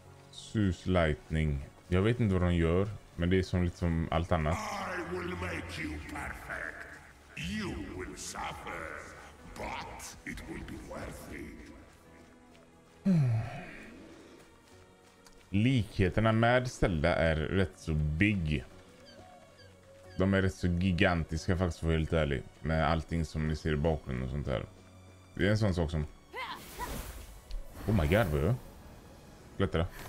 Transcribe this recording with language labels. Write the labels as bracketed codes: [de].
[sv] Zeus Lightning. Jag vet inte vad de gör, men det är som liksom allt annat. [en] I will make you perfect. You will suffer, but it will be worth it. [sv] Likheterna med Zelda är rätt så big. De är rätt så gigantiska faktiskt, för helt ärlig. Med allting som ni ser i bakgrunden och sånt där. Det är en sån sak som... [en] Oh my god, [sv] vad är det? Klättra.